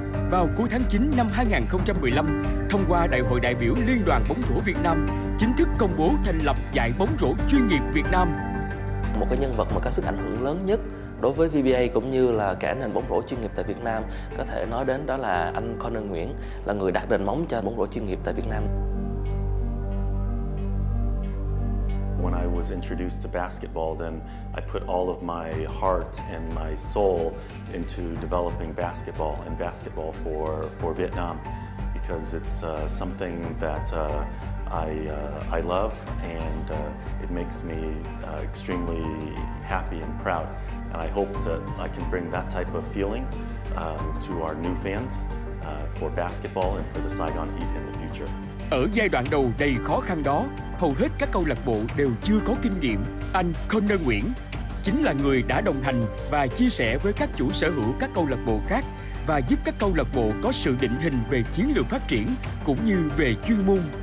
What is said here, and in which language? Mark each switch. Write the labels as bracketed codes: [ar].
[vi] Vào cuối tháng 9 năm 2015, thông qua Đại hội đại biểu Liên đoàn bóng rổ Việt Nam chính thức công bố thành lập giải bóng rổ chuyên nghiệp Việt Nam. Một cái nhân vật mà có sức ảnh hưởng lớn nhất đối với VBA cũng như là cả nền bóng rổ chuyên nghiệp tại Việt Nam có thể nói đến đó là anh Conor Nguyễn, là người đặt nền móng cho bóng rổ chuyên nghiệp tại Việt Nam. [en] When I was introduced to basketball, then I put all of my heart and my soul into developing basketball and basketball for Vietnam, because it's something that I love, and it makes me extremely happy and proud. And I hope that I can bring that type of feeling to our new fans for basketball and for the Saigon Heat in the future. [vi] Ở giai đoạn đầu đầy khó khăn đó, hầu hết các câu lạc bộ đều chưa có kinh nghiệm. Anh Conor Nguyễn chính là người đã đồng hành và chia sẻ với các chủ sở hữu các câu lạc bộ khác và giúp các câu lạc bộ có sự định hình về chiến lược phát triển cũng như về chuyên môn.